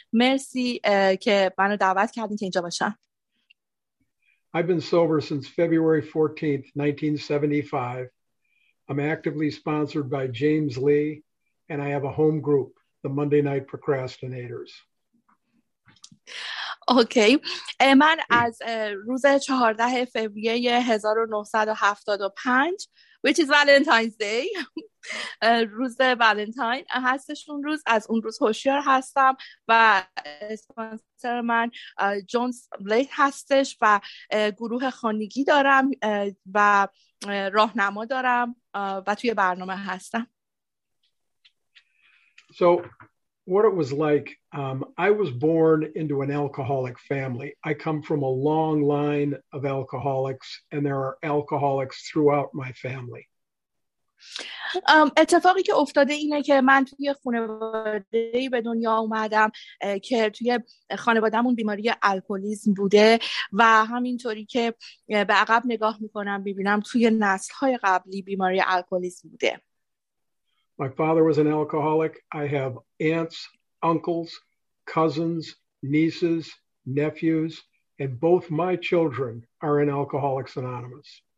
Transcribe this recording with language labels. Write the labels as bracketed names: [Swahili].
[Persian] مرسی که منو دعوت کردین که اینجا باشم. [English] I've been sober since February 14th, 1975. I'm actively sponsored by James Lee and I have a home group, the Monday Night Procrastinators. [Persian] اوکی okay. من از روز 14 فوریه 1975 [English] which is Valentine's Day [Persian] روز ولنتاین هستش، اون روز از اون روز هوشیار هستم و اسپانسر من جونز بلیت هستش و گروه خانگی دارم و راهنما دارم و توی برنامه هستم. [English] So what it was like, I was born into an alcoholic family. I come from a long line of alcoholics, and there are alcoholics throughout my family. [Persian] اتفاقی که افتاده اینه که من توی خانواده‌ای به دنیا اومدم که توی خانواده‌مون بیماری الکلیسم بوده و همینطوری که به عقب نگاه می‌کنم ببینم توی نسل‌های قبلی بیماری الکلیسم بوده. [English] My father was an alcoholic. I have aunts, uncles, cousins, nieces, nephews, and both my children are in Alcoholics Anonymous.